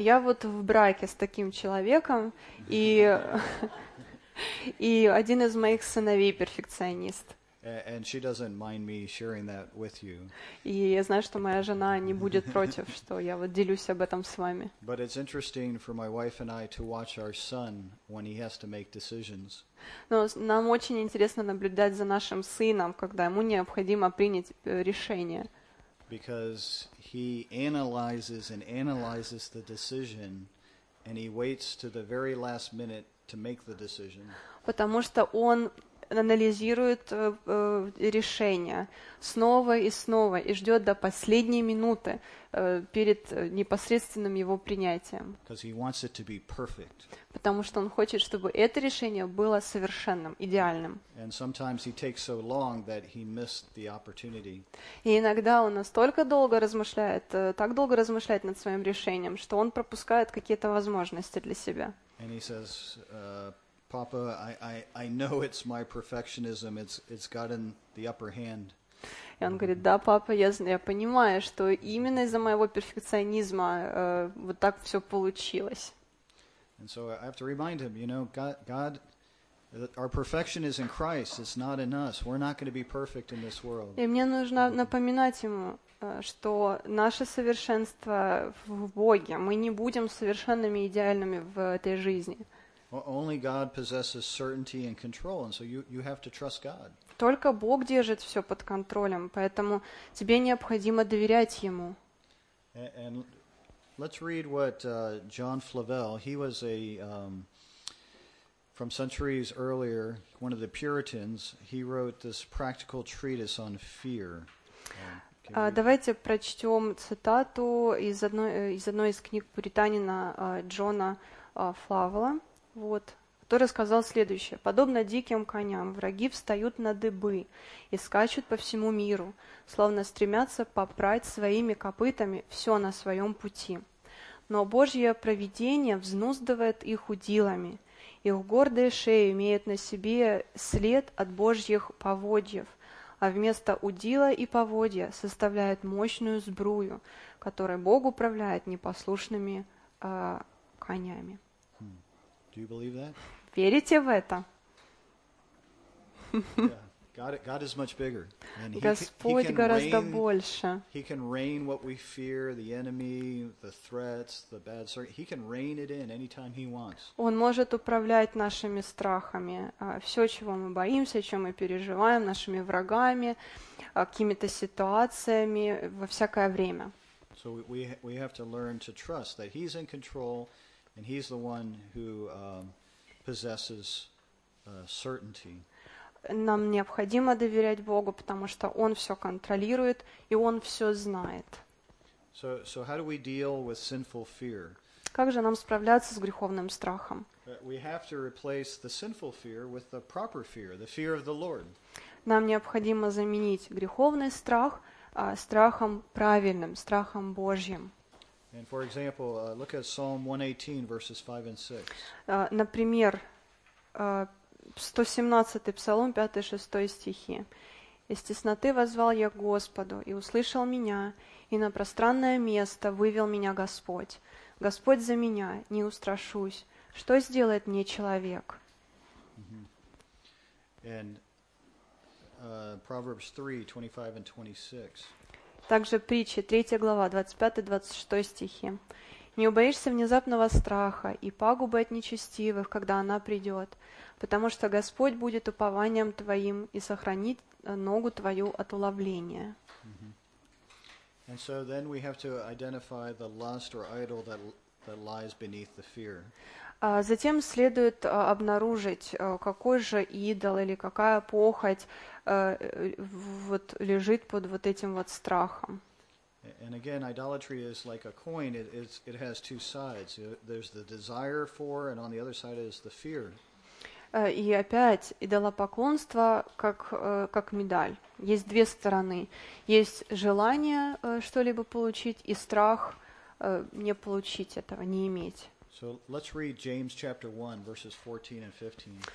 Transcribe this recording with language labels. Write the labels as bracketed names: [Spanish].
[Russian] Я вот в браке с таким человеком, и и один из моих сыновей перфекционист. [English] And she doesn't mind me sharing that with you. [Russian] И я знаю, что моя жена не будет против, что я вот делюсь об этом с вами. [English] But it's interesting for my wife and I to watch our son when he has to make decisions. [Russian] Но нам очень интересно наблюдать за нашим сыном, когда ему необходимо принять решение. [English] Because he analyzes and analyzes the decision, and he waits to the very last minute to make the decision. [Russian] Потому что он анализирует решение снова и снова и ждет до последней минуты перед непосредственным его принятием. [English] Because he wants it to be perfect. [Russian] Потому что он хочет, чтобы это решение было совершенным, идеальным. [English] And sometimes he takes so long that he missed the opportunity. [Russian] И иногда он настолько долго размышляет, так долго размышляет над своим решением, что он пропускает какие-то возможности для себя. [English] And he says, Papa, I know it's my perfectionism. It's gotten the upper hand. [Russian] И он говорит, да, папа, я понимаю, что именно из-за моего перфекционизма вот так все получилось. [English] And so I have to remind him, you know, God, our perfection is in Christ. It's not in us. We're not going to be perfect in this world. [Russian] И мне нужно напоминать ему, что наше совершенство в Боге. Мы не будем совершенными и идеальными в этой жизни. [English] Only God possesses certainty and control, and so you have to trust God. [Russian] Только Бог держит все под контролем, поэтому тебе необходимо доверять ему. [English] And let's read what John Flavel, he was a from centuries earlier, one of the Puritans, he wrote this practical treatise on fear. [Russian] Давайте прочтем цитату из одной из книг Пуританина Джона Флавела. Вот, который сказал следующее. «Подобно диким коням, враги встают на дыбы и скачут по всему миру, словно стремятся попрать своими копытами все на своем пути. Но Божье провидение взнуздывает их удилами, их гордые шеи имеют на себе след от Божьих поводьев, а вместо удила и поводья составляют мощную сбрую, которой Бог управляет непослушными конями». [English] Do you believe that? [Russian] Верите в это? [English] Yeah. God is much bigger. [Russian] And Господь гораздо больше. [English] He can rein what we fear, the enemy, the threats, the bad circumstances. He can rein it in anytime he wants. [Russian] Он может управлять нашими страхами, все, чего мы боимся, чем мы переживаем, нашими врагами, какими-то ситуациями во всякое время. [English] So we have to learn to trust that he's in control. And he's the one who possesses certainty. [Russian] Нам необходимо доверять Богу, потому что Он все контролирует и Он все знает. [English] So how do we deal with sinful fear? [Russian] Как же нам справляться с греховным страхом? [English] We have to replace the sinful fear with the proper fear, the fear of the Lord. [Russian] Нам необходимо заменить греховный страх страхом правильным, страхом Божьим. [English] And for example, look at Psalm 118, verses 5 and 6. [Russian] Например, 117-й Псалом, 5-й, 6-й стихи. «Из тесноты воззвал я к Господу, и услышал меня, и на пространное место вывел меня Господь. Господь за меня, не устрашусь. Что сделает мне человек?» [English] Mm-hmm. And Proverbs 3, 25 and 26. [Russian] Также притчи, 3 глава, 25-26 стихи. «Не убоишься внезапного страха и пагубы от нечестивых, когда она придет. потому что Господь будет упованием твоим и сохранит ногу твою от уловления. [English] And so then we have to identify the lust or idol that lies beneath the fear. [Russian] Затем следует обнаружить, какой же идол или какая похоть вот лежит под вот этим вот страхом. [English] And again, idolatry is like a coin. It has two sides. There's the desire for, and on the other side is the fear. [Russian] И опять, идолопоклонство как медаль. Есть две стороны. Есть желание что-либо получить и страх не получить этого, не иметь. [English] So let's read James chapter 1, verses 14 and 15.